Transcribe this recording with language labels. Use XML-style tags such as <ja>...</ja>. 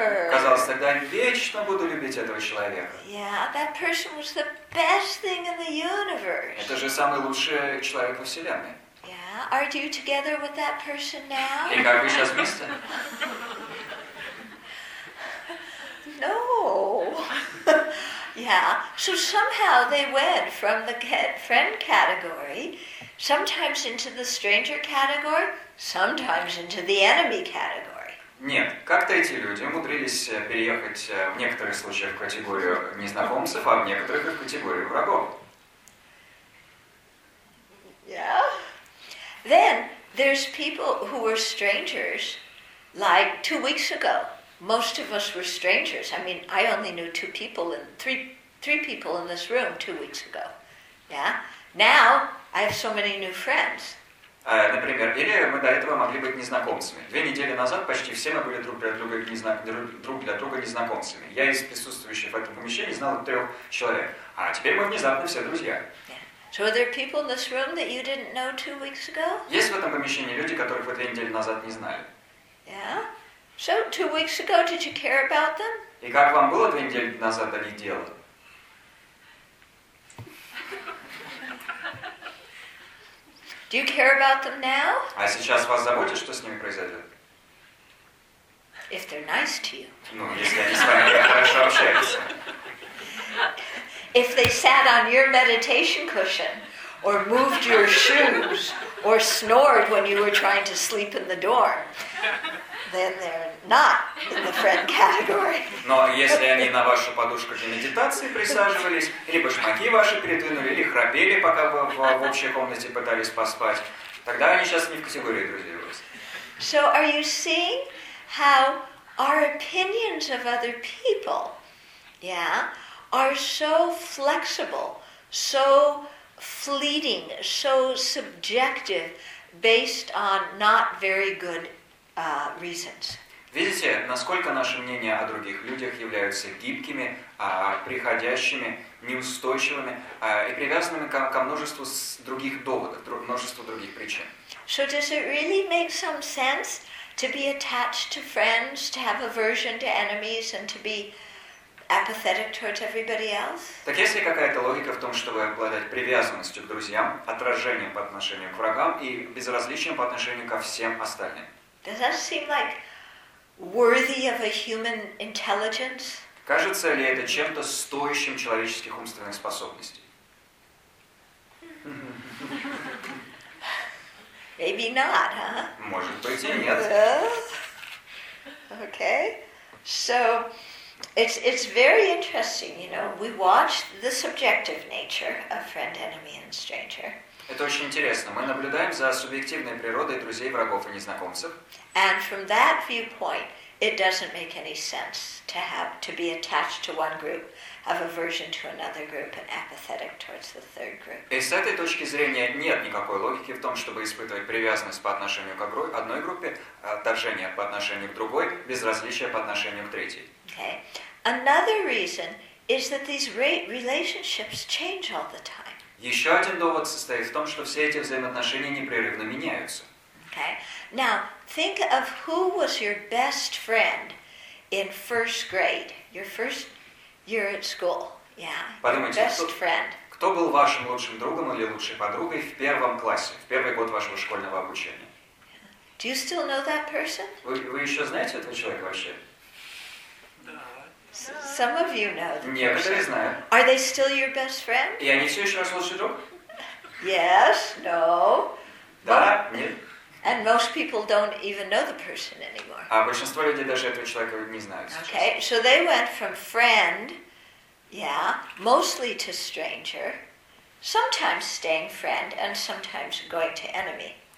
<ru>Казалось тогда, вечно буду любить этого человека.</ru> <en>Yeah, that person was the best thing in the universe.</en> <ru>Это же самый лучший человек во вселенной.</ru> <en>Yeah, are you together with that person now?</en> <ru>И как вы сейчас вместе?</ru> <en>No. Yeah. So somehow they went from the friend category, sometimes into the stranger category, sometimes into the enemy category.</en> <ru>Нет, как-то эти люди умудрились переехать в некоторых случаях в категорию незнакомцев, а в некоторых в категорию врагов.</ru> <en>Yeah. Then there's people who were strangers, like 2 weeks ago. Most of us were strangers. I mean, I only knew three people in this room 2 weeks ago. Yeah. Now I have so many new friends.</en> <ru>Например, или мы до этого могли быть незнакомцами. Две недели назад почти все мы были друг для друга незнакомцами. Я из присутствующих в этом помещении знал трех человек, а теперь мы внезапно все друзья.</ru> <en>So are there people in this room that you didn't know 2 weeks ago?</en> <ru>Есть в этом помещении люди, которых вы две недели назад не знали.</ru> <en>Yeah. So 2 weeks ago, did you care about them?</en> <ru>И как вам было 2 недели назад о них дело?</ru> <en>Do you care about them now?</en> <ru>А сейчас вас заботит, что с ними произойдет?</ru> <en>If they're nice to you.</en> <ru>Ну, если они с вами хорошо общаются.</ru> <en>If they sat on your meditation cushion, or moved your shoes, or snored when you were trying to sleep in the dorm. Then they're not in the friend category.</en> <ru>Но если они на вашу подушку для медитации присаживались, или башмаки ваши передвинули, или храпели, пока вы в общей комнате пытались поспать, тогда они сейчас не в категории друзей у вас.</ru> <en>So are you seeing how our opinions of other people, yeah, are so flexible, so fleeting, so subjective, based on not very good reasons.</en> <ru>Видите, насколько наши мнения о других людях являются гибкими, приходящими, неустойчивыми и привязанными ко множеству других доводов, множеству других причин.</ru> <en>So does it really make some sense to be attached to friends, to have aversion to enemies, and to be apathetic towards everybody else?</en> <ru>Так есть ли какая-то логика в том, чтобы обладать привязанностью к друзьям, отражением по отношению к врагам и безразличием по отношению ко всем остальным?</ru> <en>Does that seem like worthy of a human intelligence?</en> <ru>Кажется ли это чем-то стоящим человеческих умственных способностей?</ru> <en>Maybe not, huh?</en> <ru>Может быть, и нет.</ru> <en>Okay. So it's very interesting, you know. We watch the subjective nature of friend, enemy, and stranger.</en> <ru>Это очень интересно. Мы наблюдаем за субъективной природой друзей, врагов и незнакомцев.</ru> <en>And from that viewpoint, it doesn't make any sense to be attached to one group, have aversion to another group, and apathetic towards the third group.</en> <ru>И с этой точки зрения нет никакой логики в том, чтобы испытывать привязанность по отношению к одной группе, отторжение по отношению к другой, безразличие по отношению к третьей.</ru> <en>Okay. Another reason is that these relationships change all the time.</en> <ru>Еще один довод состоит в том, что все эти взаимоотношения непрерывно меняются.</ru> <en>Okay. Now, think of who was your best friend in first grade, your first year at school. Yeah,</en> <ru>подумайте,</ru> <en>your best friend.</en> <ru>Кто был вашим лучшим другом или лучшей подругой в первом классе, в первый год вашего школьного обучения?</ru> <en>Do you still know that person?</en> <ru>Вы еще знаете этого человека вообще?</ru> <en>Some of you know them.</en> <ru>Некоторые знают.</ru> <en>Are they still your best friend?</en> <ru>И они все еще ваш лучший друг?</ru> <en>Yes, no.</en> <ru>Да, нет.</ru> <en>And most people don't even know the person anymore.</en> <ru>А большинство людей даже этого человека не знают сейчас.</ru> <en>Okay, so they went from friend, yeah, mostly to stranger, sometimes staying friend and sometimes going to enemy.</en>